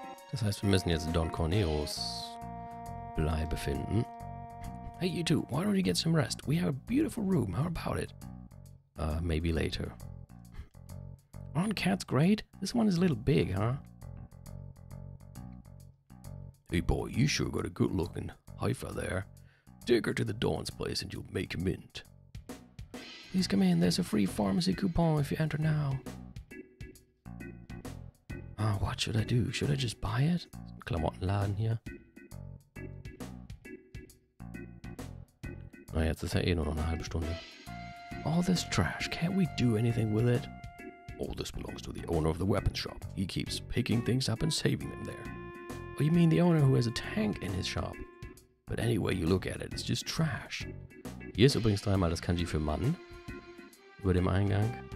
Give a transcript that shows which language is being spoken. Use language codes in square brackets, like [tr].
[de] Das heißt, wir müssen jetzt Don Corneos Bleibe finden. [en] Hey, you two, why don't you get some rest? We have a beautiful room. How about it? Maybe later. Aren't cats great? This one is a little big, huh? Hey, boy, you sure got a good-looking heifer there. Take her to the Dawn's place and you'll make a mint. Please come in. There's a free pharmacy coupon if you enter now. What should I do? Should I just buy it? [de] Klamottenladen hier. Na, jetzt ist ja eh nur noch eine halbe Stunde. [en] All this trash, can't we do anything with it? All this belongs to the owner of the weapons shop. He keeps picking things up and saving them there. Oh, you mean the owner who has a tank in his shop? But any way you look at it, it's just trash. [de] Hier ist übrigens dreimal das Kanji für Mann. Über dem Eingang.